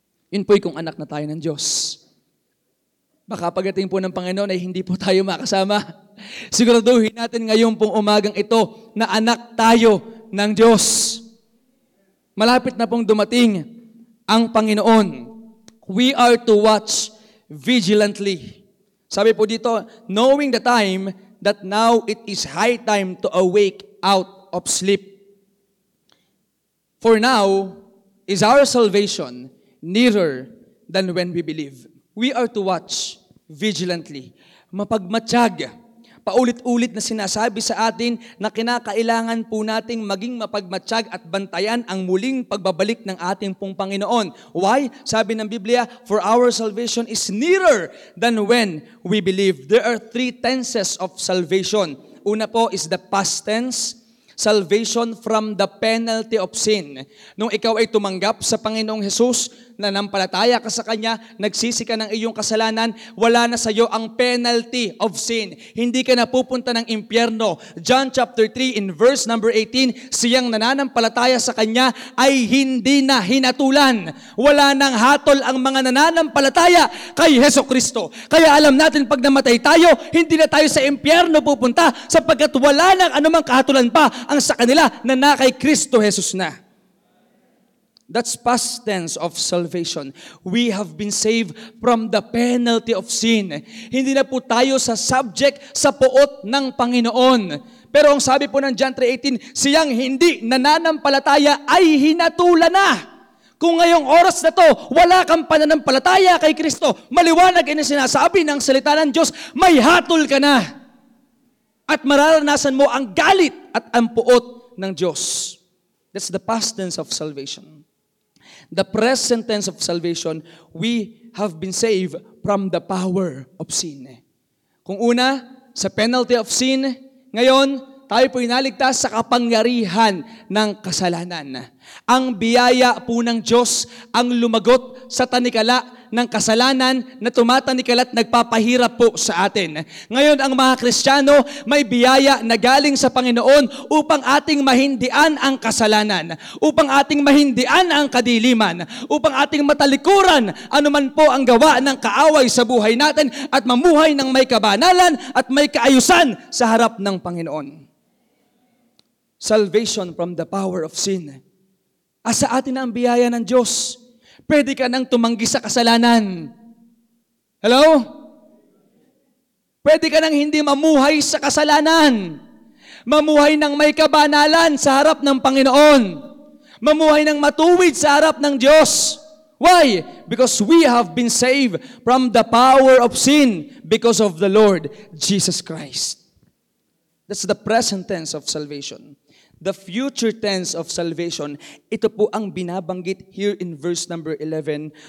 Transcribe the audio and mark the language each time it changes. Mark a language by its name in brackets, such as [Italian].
[Filipino] Yun po'y kung anak na tayo ng Diyos. Baka pagdating po ng Panginoon ay hindi po tayo makasama. Siguraduhin natin ngayon pong umagang ito na anak tayo ng Diyos. Malapit na pong dumating ang Panginoon. [English] We are to watch vigilantly. [Filipino] Sabi po dito, [English] knowing the time that now it is high time to awake out of sleep. For now is our salvation nearer than when we believe. We are to watch vigilantly. Mapagmatsyag. [Filipino] Paulit-ulit na sinasabi sa atin na kinakailangan po nating maging mapagmatsyag at bantayan ang muling pagbabalik ng ating pong Panginoon. [English] Why? [Filipino] Sabi ng Biblia, [English] for our salvation is nearer than when we believe. There are three tenses of salvation. [Filipino] Una po [English] is the past tense, salvation from the penalty of sin. [Filipino] Nung ikaw ay tumanggap sa Panginoong Jesus, nanampalataya ka sa Kanya, nagsisi ka ng iyong kasalanan, wala na sa iyo ang penalty of sin. Hindi ka na pupunta ng impyerno. [English] John chapter 3 in verse number 18, [Filipino] siyang nananampalataya sa Kanya ay hindi na hinatulan. Wala nang hatol ang mga nananampalataya kay Hesukristo. Kaya alam natin pag namatay tayo, hindi na tayo sa impyerno pupunta sapagkat wala nang anumang kahatulan pa ang sa kanila na nakay Kristo Jesus na. [English] That's past tense of salvation. We have been saved from the penalty of sin. [Filipino] Hindi na po tayo sa subject sa poot ng Panginoon. Pero ang sabi po ng John 3:18, siyang hindi nananampalataya ay hinatulan na. Kung ngayong oras na to, wala kang pananampalataya kay Kristo, maliwanag na sinasabi ng salita ng Diyos, may hatol ka na. At mararanasan mo ang galit at ang puot ng Diyos. [English] That's the past tense of salvation. The present tense of salvation, we have been saved from the power of sin. [Filipino] Kung una, sa penalty of sin, ngayon, tayo po inaligtas sa kapangyarihan ng kasalanan. Ang biyaya po ng Diyos ang lumagot sa tanikala ng kasalanan na tumatanikala at nagpapahirap po sa atin. Ngayon, ang mga Kristiyano, may biyaya na galing sa Panginoon upang ating mahindian ang kasalanan, upang ating mahindian ang kadiliman, upang ating matalikuran anuman po ang gawa ng kaaway sa buhay natin at mamuhay ng may kabanalan at may kaayusan sa harap ng Panginoon. [English] Salvation from the power of sin. [Filipino] Asa atin na ang biyaya ng Diyos? Pwede ka nang tumanggi sa kasalanan. Hello? Pwede ka nang hindi mamuhay sa kasalanan. Mamuhay ng may kabanalan sa harap ng Panginoon. Mamuhay ng matuwid sa harap ng Diyos. [English] Why? Because we have been saved from the power of sin because of the Lord Jesus Christ. That's the present tense of salvation. The future tense of salvation, [Filipino] ito po ang binabanggit [English] here in verse number 11.